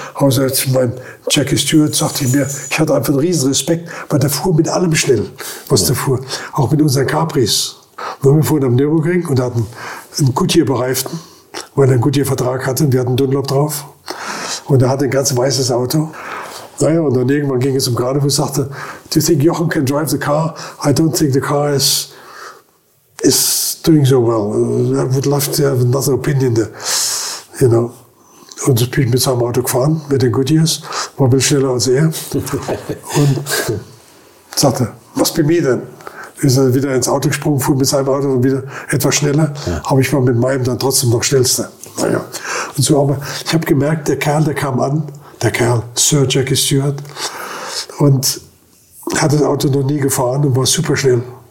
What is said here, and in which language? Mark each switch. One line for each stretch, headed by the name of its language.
German: Außer jetzt mein Jackie Stewart, sagte ich mir, ich hatte einfach einen riesen Respekt, weil der fuhr mit allem schnell, was der fuhr. Auch mit unseren Capris. Wir fuhren am Nürburgring und hatten einen Goodyear-Bereiften, weil er einen Goodyear-Vertrag hatte und wir hatten Dunlop drauf. Und er hatte ein ganz weißes Auto. Naja, und dann irgendwann ging es um Gradius und sagte,
English: do you think Jochen can drive the car? I don't think the car is doing so well. I would love to have another opinion there. You know.
German: Und ich bin mit seinem Auto gefahren, mit den Goodyears, war ein bisschen schneller als er. Und sagte,
English: must be me then.
German: Ist dann wieder ins Auto gesprungen, fuhr mit seinem Auto und wieder etwas schneller. Ja. Aber ich war mit meinem dann trotzdem noch schnellster. Naja. Und so aber, ich habe gemerkt, der Kerl, der kam an, der Kerl, Sir Jackie Stewart, und hat das Auto noch nie gefahren und war super schnell.